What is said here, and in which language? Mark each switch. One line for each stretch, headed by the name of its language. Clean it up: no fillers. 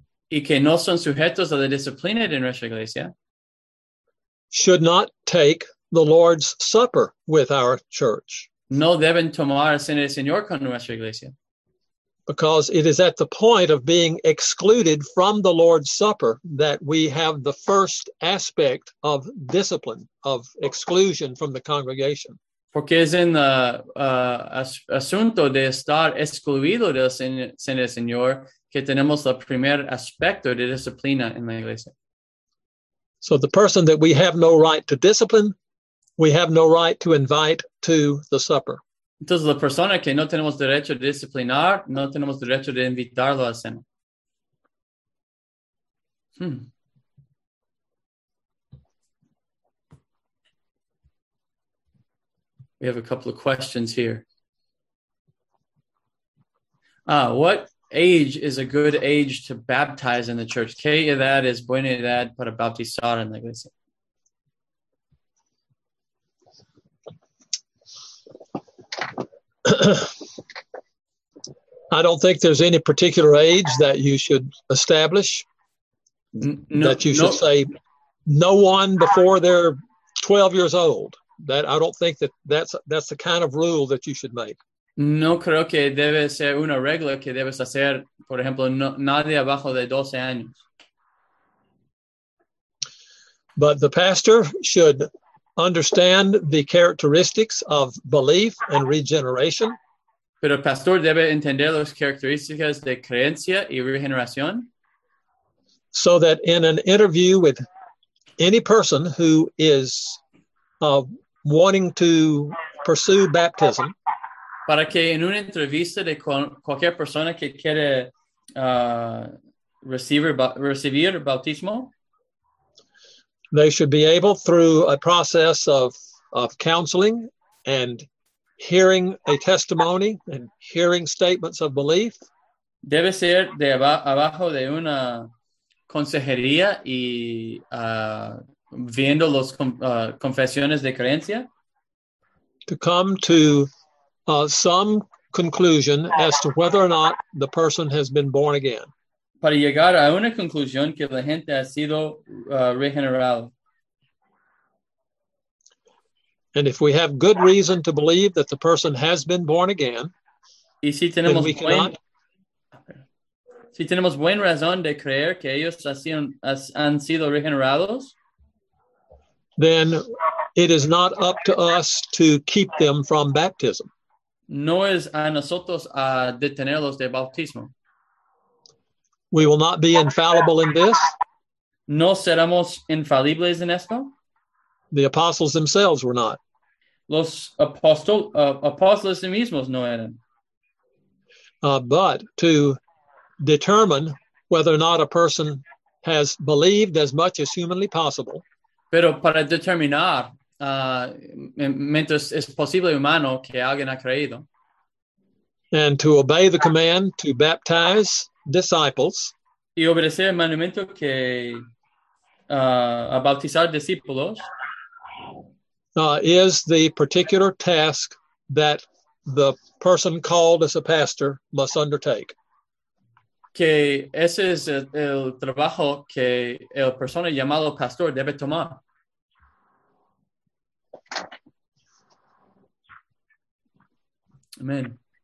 Spanish: y que no son sujetos a la disciplina de nuestra iglesia,
English: should not take the Lord's Supper with our church.
Spanish: No deben tomar cena del Señor con nuestra iglesia.
English: Because it is at the point of being excluded from the Lord's Supper that we have the first aspect of discipline, of exclusion from the congregation.
Spanish: Porque es en el asunto de estar excluido de la cena del Señor que tenemos el primer aspecto de disciplina en la iglesia.
English: So the person that we have no right to discipline, we have no right to invite to the supper.
Spanish: Entonces, la persona que no tenemos derecho de disciplinar, no tenemos derecho de invitarlo a cenar.
English: We have a couple of questions here. What age is a good age to baptize in the church?
Spanish: ¿Qué edad es buena edad para bautizar en la iglesia?
English: I don't think there's any particular age that you should establish, say no one before they're 12 years old. That I don't think that's the kind of rule that you should make.
Spanish: No creo que debe ser una regla que debes hacer, por ejemplo, nadie abajo de 12 años.
English: But the pastor should understand the characteristics of belief and regeneration.
Spanish: Pero el pastor debe entender las características de creencia y regeneración.
English: So that in an interview with any person who is wanting to pursue baptism,
Spanish: para que en una entrevista de cualquier persona que quiere recibir bautismo,
English: they should be able, through a process of counseling and hearing a testimony and hearing statements of belief,
Spanish: debe ser de abajo de una consejería y viendo los confesiones de creencia,
English: to come to some conclusion as to whether or not the person has been born again.
Spanish: Para llegar a una conclusión que la gente ha sido regenerado.
English: And if we have good reason to believe that the person has been born again,
Spanish: y si tenemos then si tenemos buen razón de creer que ellos han sido regenerados,
English: then it is not up to us to keep them from baptism.
Spanish: No es a nosotros a detenerlos de bautismo.
English: We will not be infallible in this.
Spanish: No seremos infalibles en esto.
English: The apostles themselves were not.
Spanish: Los apóstoles mismos no eran.
English: But to determine whether or not a person has believed as much as humanly possible.
Spanish: Pero para determinar mientras es posible humano que alguien ha creído.
English: And to obey the command to baptize disciples.
Spanish: Y obedecer el mandamiento que a bautizar discípulos.
English: Is the particular task that the person called as a pastor must undertake.
Spanish: Que ese es el trabajo que el persona llamado pastor debe tomar.
English: Amen.